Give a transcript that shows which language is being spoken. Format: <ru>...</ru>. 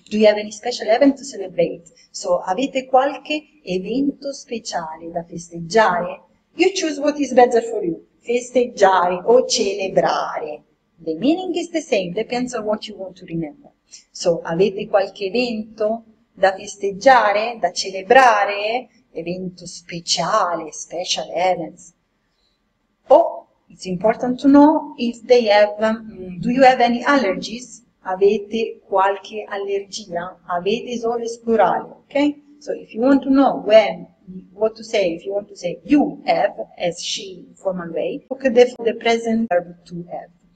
<en>Do you have any special event to celebrate?</en> <it>So, avete qualche evento speciale da festeggiare?</it> <en>You choose what is better for you,</en> <it>festeggiare o celebrare.</it> <en>The meaning is the same, depends on what you want to remember.</en> <it>So, avete qualche evento da festeggiare, da celebrare? Evento speciale,</it> <en>special events. Oh, it's important to know if they have, do you have any allergies?</en> <it>Avete qualche allergia? Avete esodo scurale, ok?</it> <en>So if you want to know when, what to say, if you want to say you have, as she in formal way, look at the present verb to have.</en>